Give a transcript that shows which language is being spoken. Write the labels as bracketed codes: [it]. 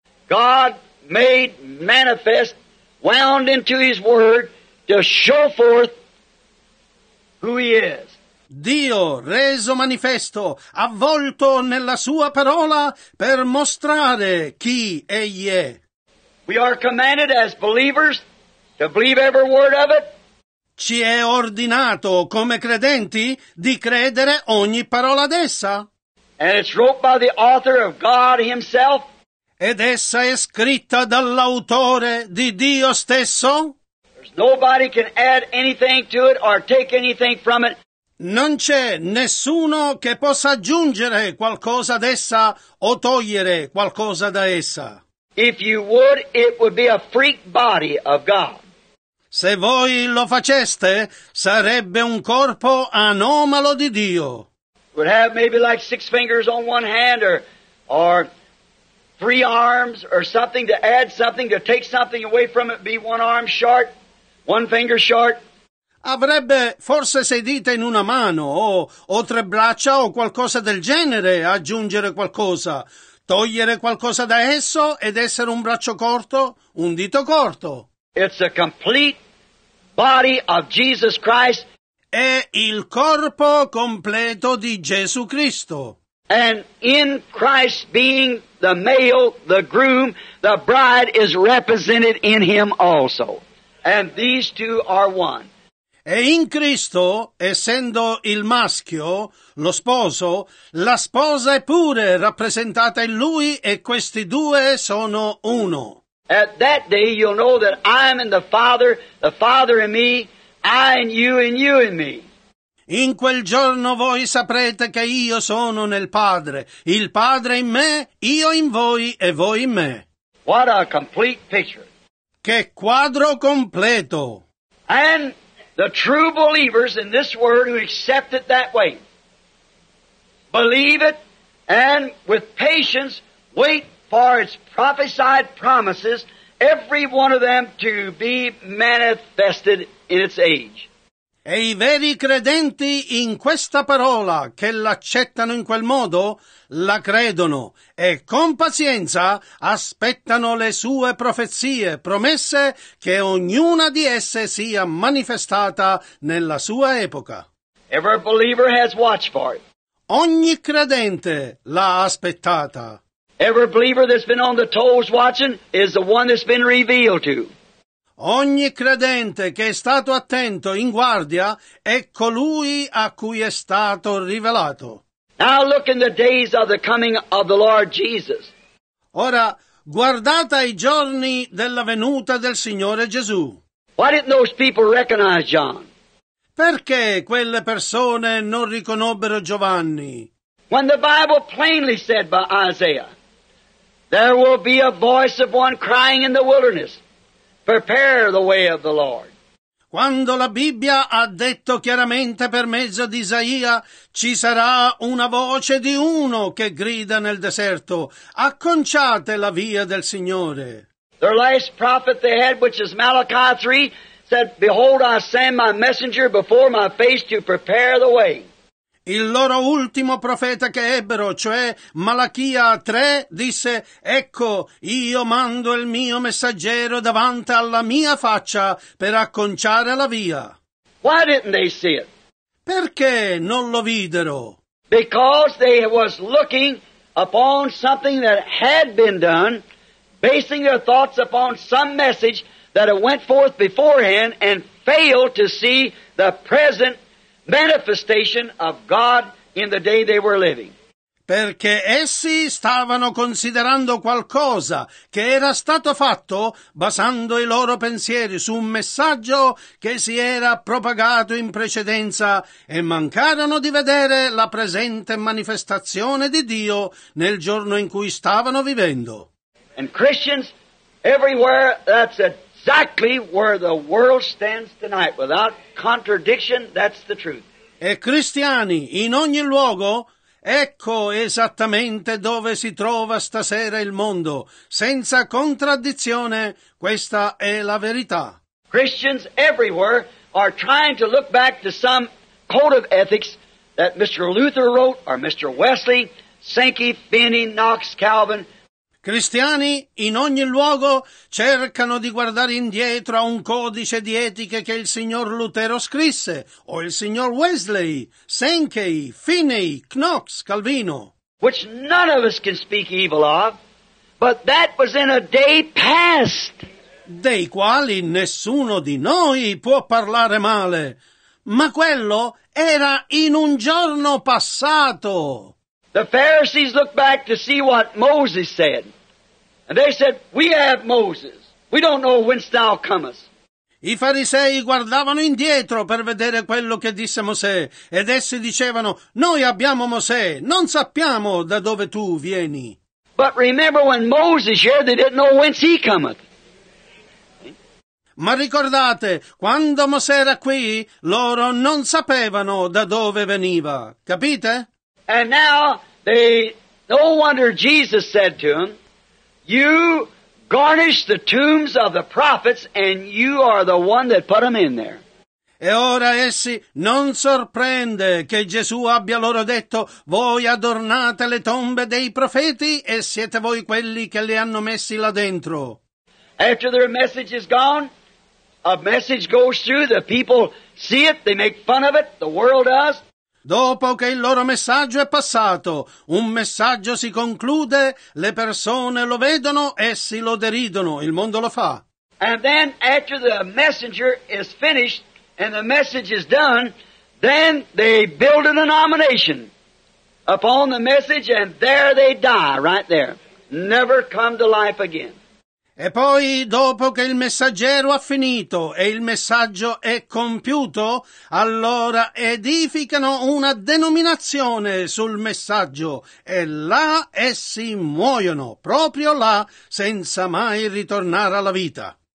[en] God made manifest, wound into His Word, to show forth who He is. [it] Dio reso manifesto, avvolto nella Sua parola per mostrare chi Egli è. [en] We are commanded as believers to believe every word of it. [it] Ci è ordinato, come credenti, di credere ogni parola d'essa. [en] And it's wrote by the author of God himself. [it] Ed essa è scritta dall'autore di Dio stesso. [en] There's nobody can add anything to it or take anything from it. [it] Non c'è nessuno che possa aggiungere qualcosa d'essa o togliere qualcosa da essa. [en] If you would, it would be a freak body of God. [it] Se voi lo faceste, sarebbe un corpo anomalo di Dio. [en] Would have maybe like 6 fingers on one hand or 3 arms or something to add something, to take something away from it, be 1 arm short, 1 finger short. [it] Avrebbe forse 6 dita in una mano o 3 braccia o qualcosa del genere, aggiungere qualcosa, togliere qualcosa da esso ed essere un braccio corto, un dito corto. [en] It's a complete body of Jesus Christ. [it] È il corpo completo di Gesù Cristo. [en] And in Christ being the male, the groom, the bride is represented in him also. And these two are one. [it] E in Cristo, essendo il maschio, lo sposo, la sposa è pure rappresentata in lui e questi due sono uno. [en] At that day you'll know that I am in the Father in me, I in you, and you in me. [it] In quel giorno voi saprete che io sono nel Padre, il Padre in me, io in voi e voi in me. [en] What a complete picture. [it] Che quadro completo. [en] And the true believers in this word who accept it that way, believe it, and with patience wait for its prophesied promises, every one of them to be manifested in its age. [it] E i veri credenti in questa parola, che l'accettano in quel modo, la credono, e con pazienza aspettano le sue profezie, promesse che ognuna di esse sia manifestata nella sua epoca. [en] Every believer has watched for it. [it] Ogni credente l'ha aspettata. [en] Every believer that's been on the toes watching is the one that's been revealed to. [it] Ogni credente che è stato attento in guardia è colui a cui è stato rivelato. [en] Now look in the days of the coming of the Lord Jesus. [it] Ora guardate ai giorni della venuta del Signore Gesù. [en] Why didn't those people recognize John? [it] Perché quelle persone non riconobbero Giovanni? [en] When the Bible plainly said by Isaiah, there will be a voice of one crying in the wilderness, prepare the way of the Lord. [it] Quando la Bibbia ha detto chiaramente per mezzo di Isaia, ci sarà una voce di uno che grida nel deserto, acconciate la via del Signore. [en] Their last prophet they had, which is Malachi 3, said, behold, I send my messenger before my face to prepare the way. [it] Il loro ultimo profeta che ebbero, cioè Malachia 3, disse, ecco, io mando il mio messaggero davanti alla mia faccia per acconciare la via. [en] Why didn't they see it? [it] Perché non lo videro? [en] Because they was looking upon something that had been done, basing their thoughts upon some message that had went forth beforehand and failed to see the present manifestation of God in the day they were living. [it] Perché essi stavano considerando qualcosa che era stato fatto basando i loro pensieri su un messaggio che si era propagato in precedenza e mancarono di vedere la presente manifestazione di Dio nel giorno in cui stavano vivendo. [en] And Christians everywhere, that's it. Exactly where the world stands tonight, without contradiction, that's the truth. [it] E cristiani, in ogni luogo, ecco esattamente dove si trova stasera il mondo. Senza contraddizione, questa è la verità. [en] Christians everywhere are trying to look back to some code of ethics that Mr. Luther wrote, or Mr. Wesley, Sankey, Finney, Knox, Calvin. [it] Cristiani in ogni luogo cercano di guardare indietro a un codice di etiche che il signor Lutero scrisse, o il signor Wesley, Sankey, Finney, Knox, Calvino. [en] Which none of us can speak evil of, but that was in a day past. [it] Dei quali nessuno di noi può parlare male, ma quello era in un giorno passato. [en] The Pharisees looked back to see what Moses said. And they said, we have Moses. We don't know whence thou comest. [it] I farisei guardavano indietro per vedere quello che disse Mosè. Ed essi dicevano, noi abbiamo Mosè. Non sappiamo da dove tu vieni. But remember when Moses here, they didn't know whence he cometh. Ma ricordate, quando Mosè era qui, loro non sapevano da dove veniva. Capite? [en] And now, they, no wonder Jesus said to them, you garnish the tombs of the prophets and you are the one that put them in there. [it] E ora essi non sorprende che Gesù abbia loro detto, voi adornate le tombe dei profeti e siete voi quelli che le hanno messi là dentro. [en] After their message is gone, a message goes through, the people see it, they make fun of it, the world does. [it] Dopo che il loro messaggio è passato, un messaggio si conclude, le persone lo vedono, essi lo deridono, il mondo lo fa. [en] And then after the messenger is finished, and the message is done, then they build an abomination upon the message, and there they die, right there. Never come to life again. [it] E poi, dopo che il messaggero ha finito e il messaggio è compiuto, allora edificano una denominazione sul messaggio, e là essi muoiono, proprio là, senza mai ritornare alla vita.